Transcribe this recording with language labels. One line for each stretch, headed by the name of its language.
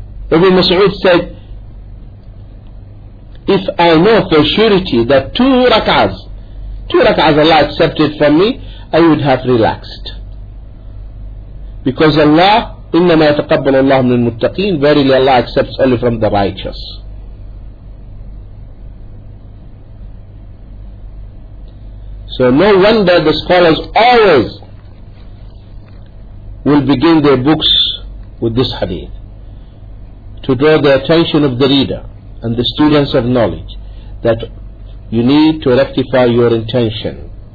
English: Ibn Mas'ud said, if I know for surety that two rak'ahs Allah accepted from me, I would have relaxed. Because Allah,
Arabic: إِنَّمَا يَتَقَبَّلُ اللَّهُ مِنَ الْمُتَّقِينَ.
English: Verily Allah accepts only from the righteous. So no wonder the scholars always will begin their books with this hadith, to draw the attention of the reader and the students of knowledge that you need to rectify your intention.